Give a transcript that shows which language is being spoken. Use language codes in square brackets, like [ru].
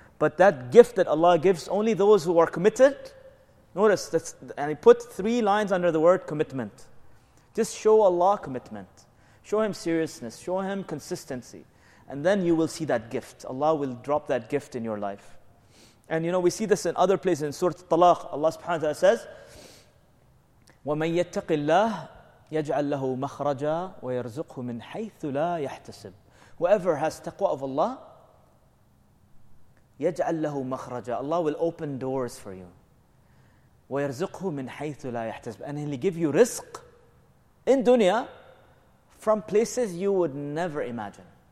[en] But that gift that Allah gives only those who are committed. Notice, that's, and he put three lines under the word commitment. Just show Allah commitment. Show him seriousness. Show him consistency. And then you will see that gift. Allah will drop that gift in your life. And you know, we see this in other places. In Surah Talaq, Allah subhanahu wa ta'ala says, [ar] وَمَنْ يَتَّقِ اللَّهِ يَجْعَلْ لَهُ مَخْرَجًا وَيَرْزُقْهُ مِنْ حَيْثُ لَا يَحْتَسِبْ. [en] Whoever has taqwa of Allah, [ar] يَجْعَلْ لَهُ مَخْرَجًا. [en] Allah will open doors for you. [ar] وَيَرْزُقْهُ مِنْ حَيْثُ لَا يَحْتَسِبْ. [en] And He'll give you rizq in dunya from places you would never imagine.